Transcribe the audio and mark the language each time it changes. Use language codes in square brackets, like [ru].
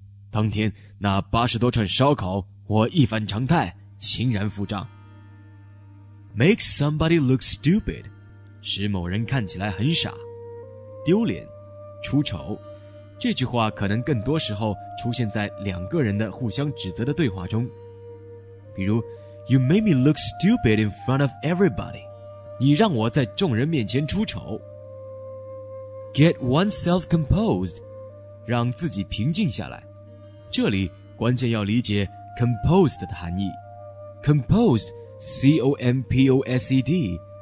[zh] 当天那80多串烧烤我一反常态欣然付账。 [en] Make somebody look stupid, [zh] 使某人看起来很傻。丢脸，出丑，这句话可能更多时候出现在两个人的互相指责的对话中。比如 [en] You made me look stupid in front of everybody, [zh] 你让我在众人面前出丑。 [en] Get oneself composed, [zh] 让自己平静下来，这里关键要理解 composed 的含义。 [en] composed, C-O-M-P-O-S-E-D,